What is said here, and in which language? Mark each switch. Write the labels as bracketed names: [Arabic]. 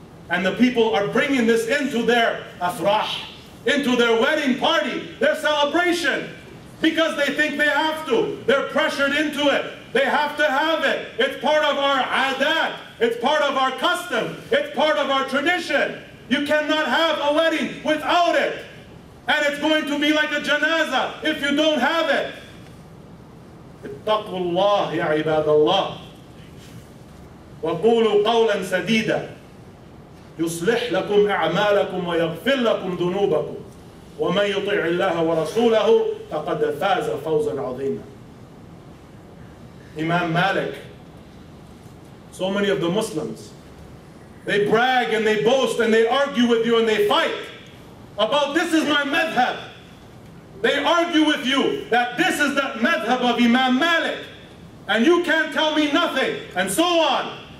[English] And the people are bringing this into their afrah, into their wedding party, their celebration, because they think they have to. They're pressured into it. They have to have it. It's part of our adat. It's part of our custom. It's part of our tradition. You cannot have a wedding without it. And it's going to be like a janazah if you don't have it. [Arabic] اتقوا الله يا عباد الله وقولوا قولا سديدا يصلح لكم أعمالكم ويغفر لكم ذنوبكم ومن يطع الله ورسوله فقد فاز فوزا عظيما. [English] Imam Malik, so many of the Muslims, they brag and they boast and they argue with you and they fight about this is my madhab. They argue with you that this is the madhab of Imam Malik, and you can't tell me nothing, and so on.